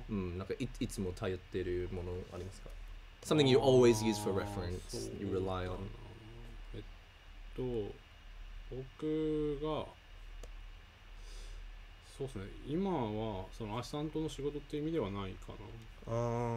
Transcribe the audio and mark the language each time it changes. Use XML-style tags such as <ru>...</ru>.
<ja>うん、なんか いつも頼ってるものありますか？</ja> <en>Something you always use for reference, you rely on.</en> <ja>僕が、そうですね、今はそのアシスタントの仕事っていう意味ではないかな。</ja>